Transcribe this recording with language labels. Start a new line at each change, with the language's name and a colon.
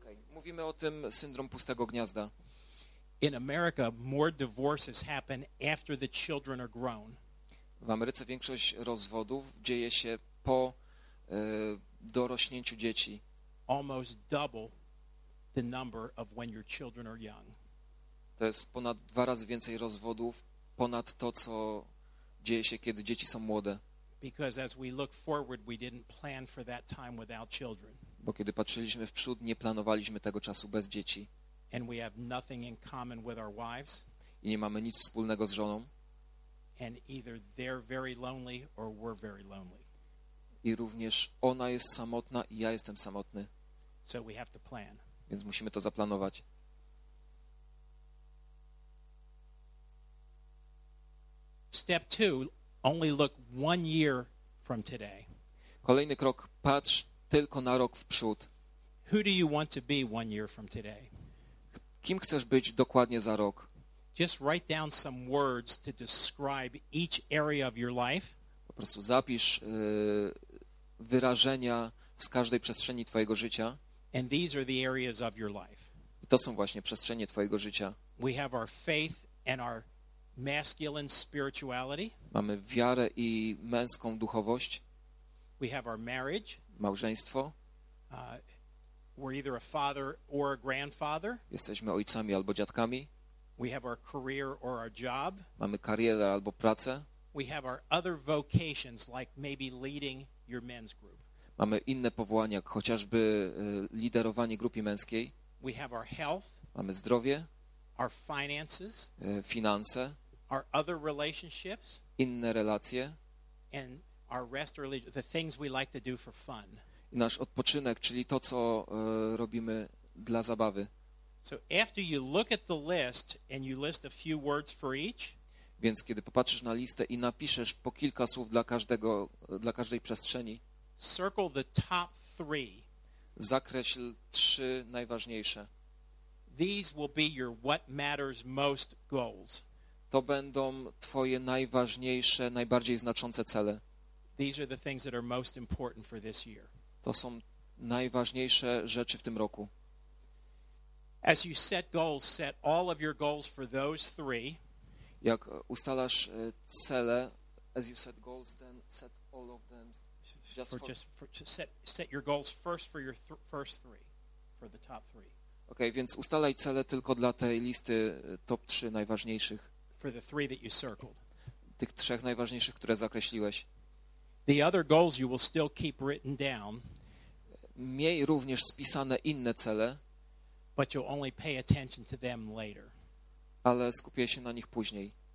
Polish: Mówimy o tym syndrom pustego gniazda.
English: In America, more divorces happen after the children are grown.
Polish: W Ameryce większość rozwodów dzieje się po do rośnięciu dzieci.
English: Almost double the number of when your children are young.
Polish: To jest ponad dwa razy więcej rozwodów ponad to, co dzieje się, kiedy dzieci są młode.
English: Because as we look forward, we didn't plan for that time without children.
Polish: Bo kiedy patrzyliśmy w przód, nie planowaliśmy tego czasu bez dzieci.
English: And we have nothing in common with our wives.
Polish: I nie mamy nic wspólnego z żoną.
English: And either they're very lonely or we're very lonely.
Polish: I również ona jest samotna i ja jestem samotny.
English: So we have to plan.
Polish: Więc musimy to zaplanować.
English: Step two, only look one year from today.
Polish: Kolejny krok, patrz tylko na rok w przód.
English: Who do you want to be one year from today?
Polish: Kim chcesz być dokładnie za rok?
English: Just write down some words to describe each area of your life.
Polish: Po prostu zapisz wyrażenia z każdej przestrzeni twojego życia.
English: And these are the areas of your life.
Polish: I to są właśnie przestrzenie twojego życia.
English: We have our faith and our masculine spirituality.
Polish: Mamy wiarę i męską duchowość.
English: We have our marriage.
Polish: Małżeństwo.
English: We're either a father or a grandfather.
Polish: Jesteśmy ojcami albo dziadkami.
English: We have our career or our job.
Polish: Mamy karierę albo pracę.
English: We have our other vocations, like maybe leading your men's group.
Polish: Mamy inne powołania, chociażby liderowanie grupy męskiej.
English: We have our health.
Polish: Mamy zdrowie.
English: Our finances.
Polish: Finanse.
English: Our other relationships.
Polish: Inne relacje.
English: And our rest, or the things we like to do for fun.
Polish: I nasz odpoczynek, czyli to, co robimy dla zabawy.
English: So after you look at the list and you list a few words for each,
Polish: więc kiedy popatrzysz na listę i napiszesz po kilka słów dla każdej przestrzeni,
English: circle the top three.
Polish: Zakreśl trzy najważniejsze.
English: These will be your what matters most goals.
Polish: To będą twoje najważniejsze, najbardziej znaczące cele.
English: These are the things that are most important for this year.
Polish: To są najważniejsze rzeczy w tym roku.
English: As you set goals, set all of your goals for those three.
Polish: Jak ustalasz cele,
English: as you set goals, then set all of them. Just for just for, set your goals first for your first three, for the top three.
Polish: Okay, więc ustalaj cele tylko dla tej listy top 3 najważniejszych.
English: For the three that you circled.
Polish: Tych trzech najważniejszych, które zakreśliłeś.
English: The other goals you will still keep written down.
Polish: Miej również spisane inne cele.
English: But you'll only pay attention to them later.
Polish: Ale skupię się na nich później.